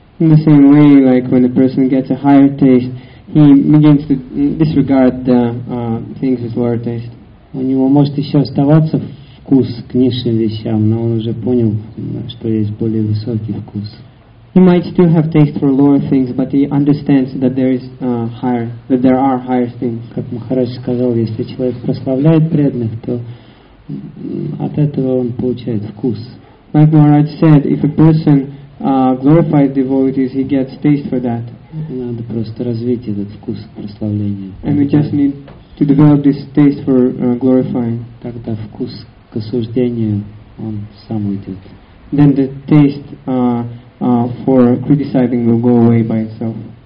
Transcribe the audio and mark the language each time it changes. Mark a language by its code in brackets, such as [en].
[en] In the same way, like when a person gets a higher taste, he begins to disregard the things with lower taste. [ru] У него может еще оставаться вкус к низшим вещам, но он уже понял, что есть более высокий вкус. [en] He might still have taste for lower things, but he understands that there is higher, that there are higher things. [ru] Как Махарадж сказал, если человек прославляет преданных, то от этого он получает вкус. [en] Like Maharaj said, if a person glorifies devotees, he gets taste for that. [ru] Надо просто развить этот вкус прославления. [en] And we just need to develop this taste for glorifying. [ru] Тогда вкус к осуждению он сам уйдет. [en] Then the taste for criticizing will go away by itself.